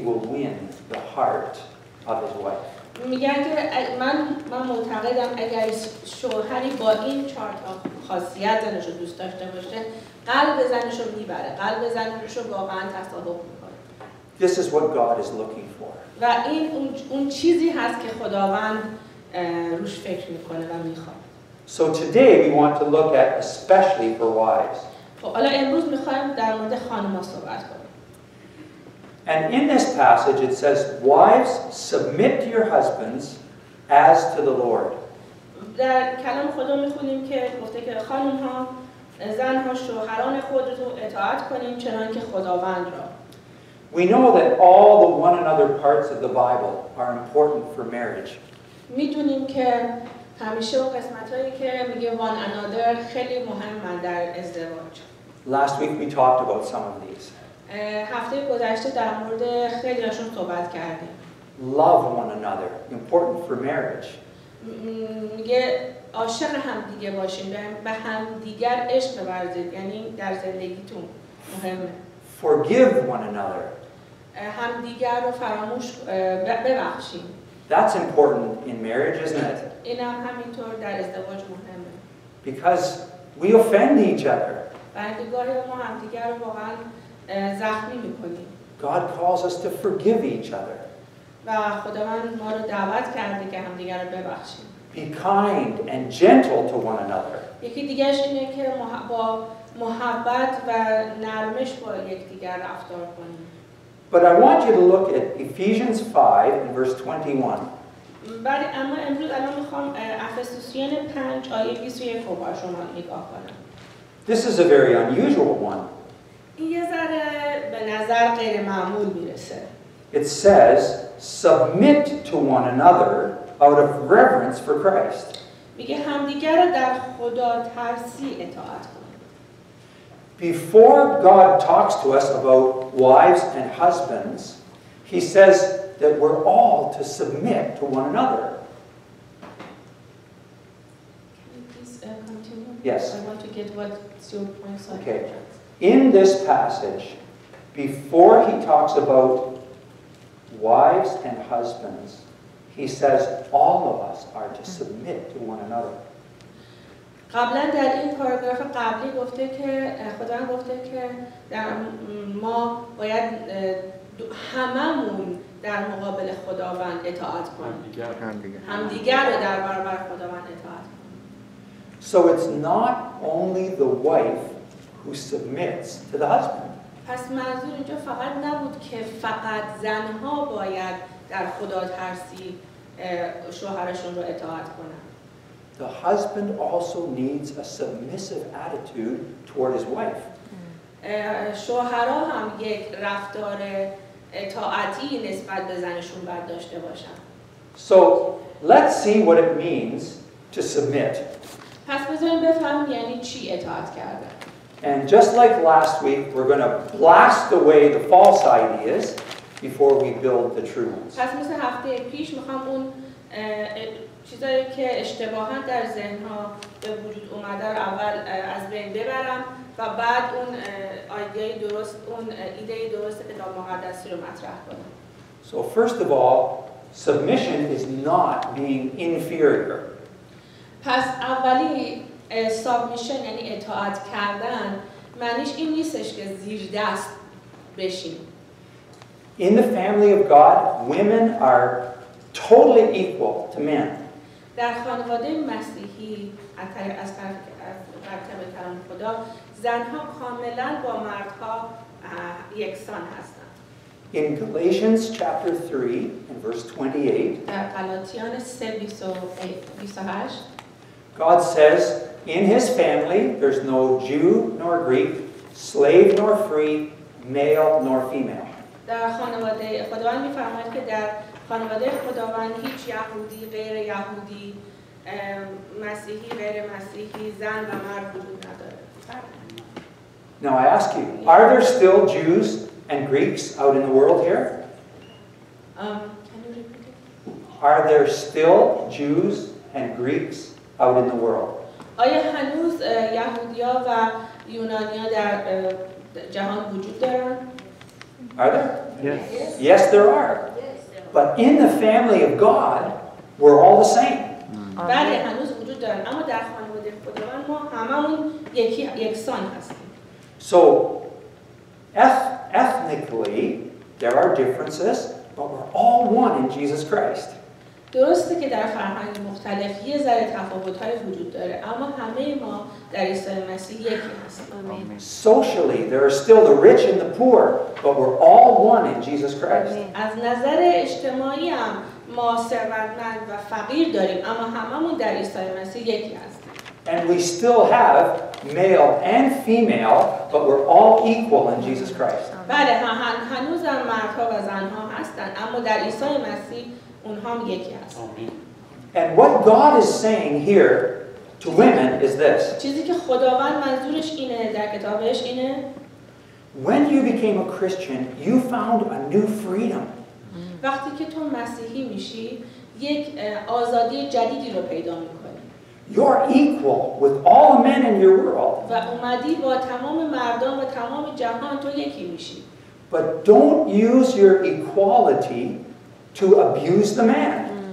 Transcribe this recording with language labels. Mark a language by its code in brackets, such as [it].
[en] will win the heart of his wife. [fa] میگن که من معتقدم اگر شوهری با این چهار تا خاصیت زنشو دوست داشته باشه قلب زنشو میبره، قلب زنشو واقعا تصادف میکنه. [en] This is what God is looking for. [fa] و این اون چیزی هست که خداوند روش فکر میکنه و میخواد. [en] So today we want to look at especially for wives. [fa] حالا امروز میخوایم در مورد خانم‌ها صحبت کنیم. [en] And in this passage it says, wives, submit to your husbands as to the Lord. [fa] در کلام خدا میخونیم که گفته که خانم ها زن ها شوهران خودتون اطاعت کنیم چنان که خداوند را. [en] We know that all the one another parts of the Bible are important for marriage. [fa] میدونیم که همیشه اون قسمت هایی که میگه [en] one another [fa] خیلی مهمه در ازدواج. [en] Last week we talked about some of these. [fa] هفته گذشته در مورد خیلیاشون صحبت کردیم. [en] Love one another, important for marriage. [fa] میگه عاشق هم دیگه باشین، به هم دیگر عشق ببرزید، یعنی در زندگیتون مهمه. [en] Forgive one another. [fa] هم دیگر رو فراموش ببخشید. [en] That's important in marriage, isn't it? [fa] این هم همینطور در ازدواج مهمه. [en] Because we offend each other. [fa] بعضی گاهی ما هم دیگر رو واقعا زخمی میکنیم. [en] God calls us to forgive each other. [fa] و خداوند ما رو دعوت کرده که همدیگر رو ببخشیم. [en] Be kind and gentle to one another. [fa] یکی دیگه اینه که با محبت و نرمش با یکدیگر رفتار کنیم. [en] But I want you to look at Ephesians 5 and verse 21. [fa] بعد اما امروز الان میخوام افسوسیان 5 آیه 21 رو با شما نگاه کنم. [en] This is a very unusual one. [fa] یه ذره به نظر غیر معمول میرسه. [en] It says, submit to one another out of reverence for Christ. [fa] میگه همدیگر رو در خدا ترسی اطاعت کنید. [en] Before God talks to us about wives and husbands, he says that we're all to submit to one another. Can you please continue? Yes. I want to get what's your point. Sorry. Okay. In this passage, before he talks about wives and husbands, he says all of us are to submit to one another. [fa] قبلا در این پاراگراف قبلی گفته که خداوند گفته که ما باید هممون در مقابل خداوند اطاعت کنیم. همدیگر رو در برابر خداوند اطاعت کنیم. [en] So it's not only the wife who submits to the husband. [fa] پس منظور اینجا فقط نبود که فقط زنها باید در خدا ترسی شوهرشون رو اطاعت کنن. [en] The husband also needs a submissive attitude toward his wife. [fa] شوهرها هم یک رفتار اطاعتی نسبت به زنشون باید داشته باشن. [en] So let's see what it means to submit. [fa] پس بذاریم بفهمیم یعنی چی اطاعت کردن. [en] And just like last week, we're going to blast away the false ideas before we build the true ones. [fa] پس مثل هفته پیش میخوام اون چیزایی که اشتباهاً در ذهنها به وجود اومده رو اول از بین ببرم و بعد اون ایده درست اون ایده درست کتاب مقدسی رو مطرح کنم. [en] So first of all, submission is not being inferior. [fa] پس اولی submission یعنی اطاعت کردن معنیش این نیستش که زیر دست بشیم. [en] In the family of God, women are totally equal to men. [fa] در خانواده مسیحی از طرف کلام خدا زنها کاملا با مردها یکسان هستند. [en] In Galatians chapter 3 and verse 28, [fa] غلاطیان 3:28, [en] God says, in his family there's no Jew nor Greek, slave nor free, male nor female. [fa] در خانواده خداوند می‌فرماید که در خانواده خداوند هیچ یهودی غیر یهودی مسیحی غیر مسیحی زن و مرد وجود نداره. [en] Now I ask you, are there still Jews and Greeks out in the world here? Can you repeat it? Are there still Jews and Greeks out in the world? [fa] آیا هنوز یهودیا و یونانیا در جهان وجود دارند؟ [en] Are there? Yes. Yes, there are. But in the family of God, we're all the same. [fa] بله هنوز وجود دارن اما در خانواده خداوند ما هممون یکسان هستیم. [en] So ethnically there are differences, but we're all one in Jesus Christ. [fa] درسته که در فرهنگ مختلف یه ذره تفاوت‌های وجود داره اما همه ما در عیسی مسیح یکی هستیم. آمین. [en] Socially there are still the rich and the poor, but we're all one in Jesus Christ. [fa] از نظر اجتماعی هم ما ثروتمند و فقیر داریم اما هممون در عیسی مسیح یکی هستیم. [en] And we still have male and female, but we're all equal in Jesus Christ. [fa] بله هنوز هم مردها و زنها هستن اما در عیسی مسیح اونها هم یکی هستن. [en] And what God is saying here to women is this. [fa] چیزی که خداوند منظورش اینه در کتابش اینه. [en] When you became a Christian, you found a new freedom. [fa] وقتی که تو مسیحی میشی، یک آزادی جدیدی رو پیدا میکنی. [en] You're equal with all the men in your world. [fa] و اومدی با تمام مردان و تمام جهان تو یکی میشی. [en] But don't use your equality to abuse the man.